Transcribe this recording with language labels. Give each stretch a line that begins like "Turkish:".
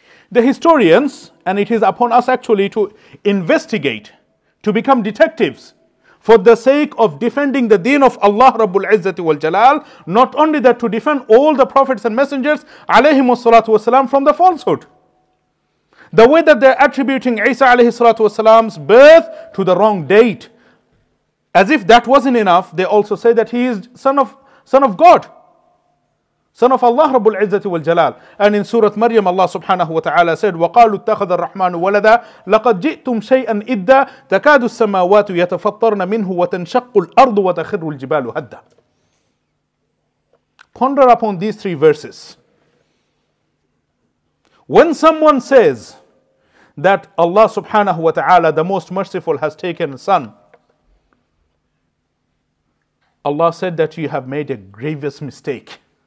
English: The historians, and it is upon us actually to investigate, to become detectives, for the sake of defending the deen of Allah Rabbul Izzati wal Jalal, not only that, to defend all the prophets and messengers alayhim as-salatu wasalam from the falsehood. The way that they're attributing Isa alayhi salatu wasalam's birth to the wrong date, as if that wasn't enough, they also say that he is son of God, son of Allah Rabbul Izzati wal Jalal. And in Surah Maryam Allah subhanahu wa ta'ala said,
Arabic: وَقَالُوا اتَّخَذَ الرَّحْمَنُ وَلَدًا لَقَدْ جِئْتُمْ شَيْئًا إِدَّا تَكَادُ السَّمَاوَاتُ يَتَفَطَّرْنَ مِنْهُ وَتَنْشَقُّ الْأَرْضُ وَتَخِرُّ الْجِبَالُ هَدًّا.
English: Ponder upon these three verses. When someone says that Allah subhanahu wa ta'ala, the most merciful, has taken a son, Allah said that you have made a grievous mistake.